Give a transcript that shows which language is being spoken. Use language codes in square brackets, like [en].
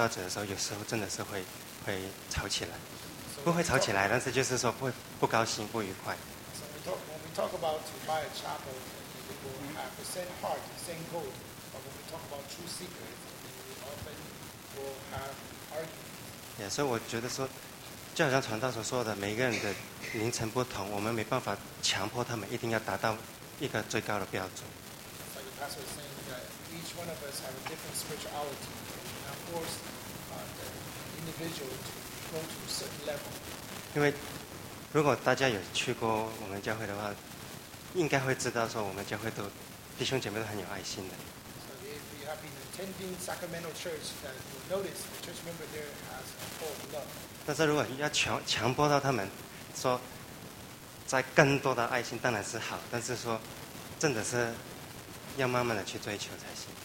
[zh] 因为我们就算买会堂这些大家都很同心，但是谈到慕道者的时候，有时候真的是会吵起来。不会吵起来， 但是就是说不高兴，不愉快。 [en] So when we talk about to buy a chapel, we will have the same heart, the same goal. But when we talk about true secrets, we often will have arguments. [zh] Yeah, 所以我觉得说，就好像传道所说的，每一个人的凌晨不同，我们没办法强迫他们一定要达到一个最高的标准。 [en] So the pastor is saying that each one of us have a different spirituality and force the individual to go to a certain level. [zh] 因为如果大家有去过我们教会的话，应该会知道说我们教会都弟兄姐妹都很有爱心的。 [en] So if you have been attending Sacramento Church, then you'll notice the church member there has a full of love. [zh] 但是如果要强迫到他们说再更多的爱心，当然是好，但是说真的是要慢慢的去追求才行。